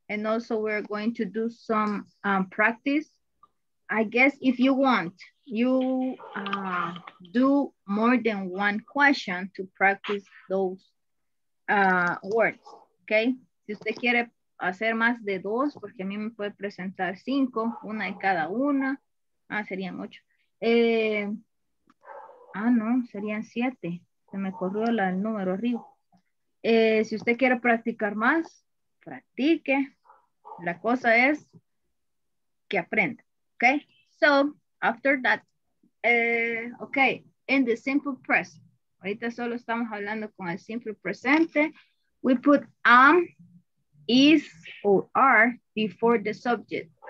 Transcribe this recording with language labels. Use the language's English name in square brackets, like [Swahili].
[English] And also we're going to do some practice. I guess if you want, you do more than one question to practice those words, okay? [Spanish] Si usted quiere hacer más de dos, porque a mí me puede presentar cinco, una de cada una. Ah, serían ocho. No, serían siete. Se me corrió el número arriba. Si usted quiere practicar más, practique. La cosa es que aprenda, okay? [English] So, after that, okay, in the simple present. [Spanish] Ahorita solo estamos hablando con el simple presente. [English] We put am, is, or are before the subject.